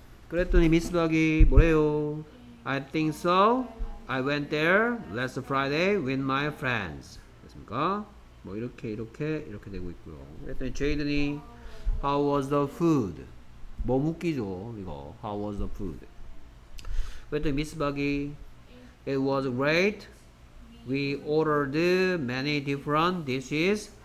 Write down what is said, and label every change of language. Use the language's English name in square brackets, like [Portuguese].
[Korean] 그랬더니 미스 박이 뭐래요? [English] I think so. I went there last Friday with my friends. [Korean] 됐습니까? 뭐 이렇게 이렇게 이렇게 되고 있고요. 그랬더니 제이든이 [English] How was the food? [Korean] 뭐 묻기죠 이거. [English] How was the food? [Korean] 그랬더니 미스 박이 [English] It was great. We ordered many different dishes.